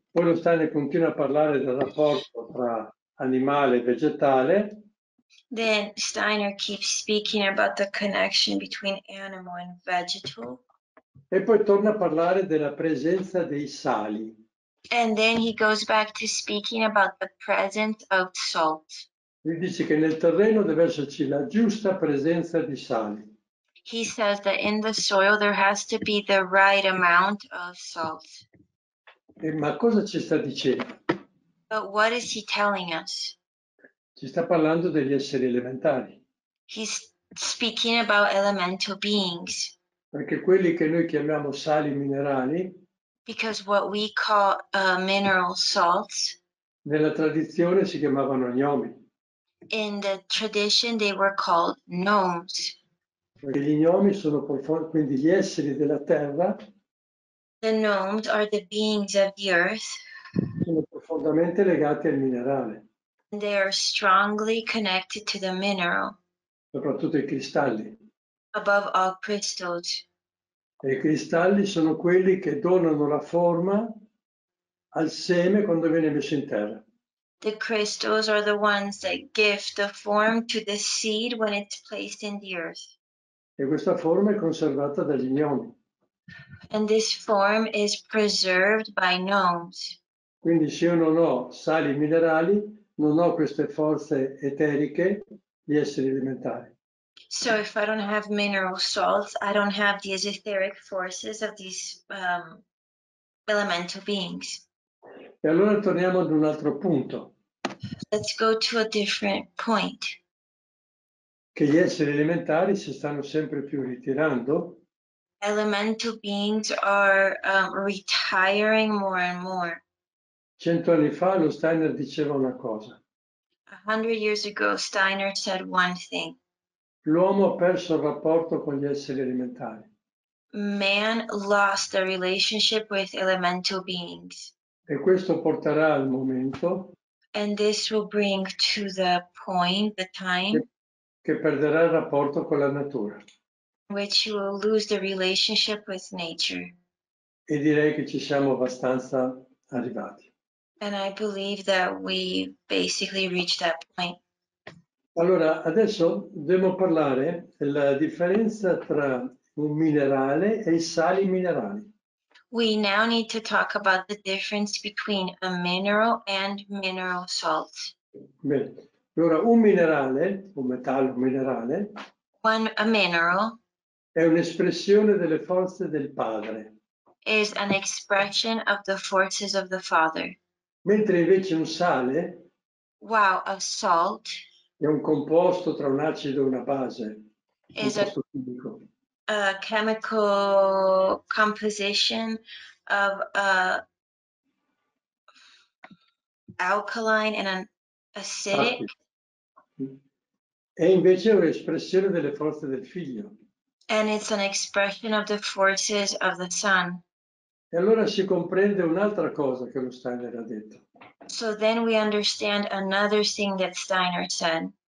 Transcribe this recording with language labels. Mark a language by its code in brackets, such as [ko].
[it] Poi lo Steiner continua a parlare del rapporto tra animale e vegetale. [en] Then Steiner keeps speaking about the connection between animal and vegetal. [it] E poi torna a parlare della presenza dei sali. [en] And then he goes back to speaking about the presence of salt. [it] Lui dice che nel terreno deve esserci la giusta presenza di sali. [en] He says that in the soil there has to be the right amount of salt. [it] Ma cosa ci sta dicendo? [en] But what is he telling us? [it] Ci sta parlando degli esseri elementari. [en] He's speaking about elemental beings. [it] Perché quelli che noi chiamiamo sali minerali. [en] Because what we call mineral salts. [it] Nella tradizione si chiamavano gnomi. [en] In the tradition they were called gnomes. [it] Perché gli gnomi sono profondi, quindi gli esseri della terra. [en] The gnomes are the beings of the earth. [it] Sono profondamente legati al minerale. [en] They are strongly connected to the mineral. [it] Soprattutto i cristalli. [en] Above all crystals. [it] E i cristalli sono quelli che donano la forma al seme quando viene messo in terra. [en] The crystals are the ones that give the form to the seed when it's placed in the earth. [it] E questa forma è conservata dagli gnomi. [en] And this form is preserved by gnomes. [it] Quindi se io non ho sali minerali, non ho queste forze eteriche di esseri elementari. [en] So if I don't have mineral salts, I don't have these etheric forces of these elemental beings. [it] E allora torniamo ad un altro punto. [en] Let's go to a different point. [it] Che gli esseri elementari si stanno sempre più ritirando. [en] Elemental beings are retiring more and more. [it] 100 anni fa lo Steiner diceva una cosa. [en] 100 years ago Steiner said one thing. [it] L'uomo ha perso il rapporto con gli esseri elementari. [en] Man lost the relationship with elemental beings. [it] E questo porterà al momento. [en] And this will bring to the point, the time. [it] Che perderà il rapporto con la natura. [en] Which you will lose the relationship with nature. [it] E direi che ci siamo abbastanza arrivati. [en] And I believe that we basically reached that point. [it] Allora, adesso dobbiamo parlare della differenza tra un minerale e i sali minerali. [en] We now need to talk about the difference between a mineral and mineral salt. [it] Bene. Allora, un minerale, un metallo minerale, [en] a mineral, [it] è un'espressione delle forze del padre. [en] Is an expression of the forces of the father. [it] Mentre invece un sale, [en] wow, a salt, [it] è un composto tra un acido e una base, [en] is [it] un composto chimico. [en] A chemical composition of alkaline and an acidic. [it] E invece è un'espressione delle forze del figlio. [en] And it's an expression of the forces of the son. [it] E allora si comprende un'altra cosa che lo Steiner ha detto. [en] So then we understand another thing that Steiner said.